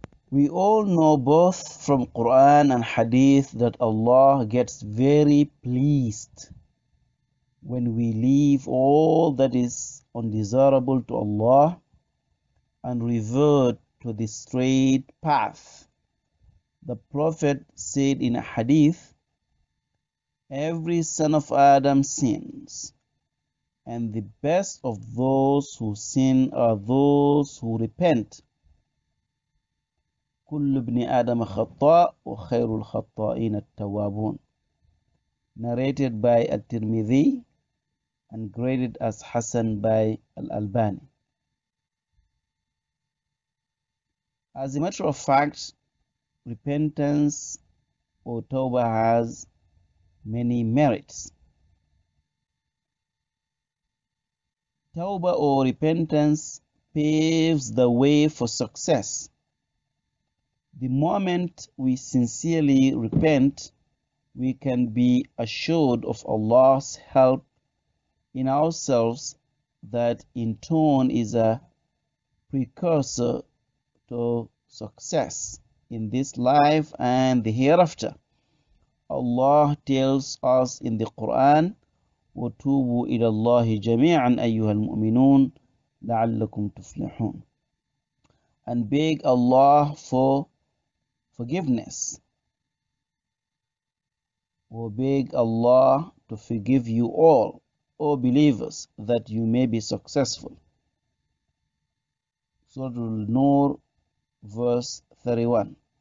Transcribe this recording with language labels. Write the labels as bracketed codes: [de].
[en] We all know both from Quran and Hadith that Allah gets very pleased when we leave all that is undesirable to Allah and revert to the straight path. The Prophet said in a Hadith, "Every son of Adam sins, and the best of those who sin are those who repent. [ar] كل ابن آدم خطاء وخير الخطائين التوابون." [en] Narrated by At-Tirmidhi and graded as Hassan by Al-Albani. As a matter of fact, repentance or tawbah has many merits. Tawbah or repentance paves the way for success. The moment we sincerely repent, we can be assured of Allah's help in ourselves, that in turn is a precursor to success in this life and the hereafter. Allah tells us in the Quran, [ar] "وَتُوبُوا إِلَى اللَّهِ جَمِيعًا أَيُّهَا الْمُؤْمِنُونَ لَعَلَّكُمْ تُفْلِحُونَ." [en] And beg Allah for forgiveness, or beg Allah to forgive you all, O believers, that you may be successful. Surah Al-Nur, verse 31.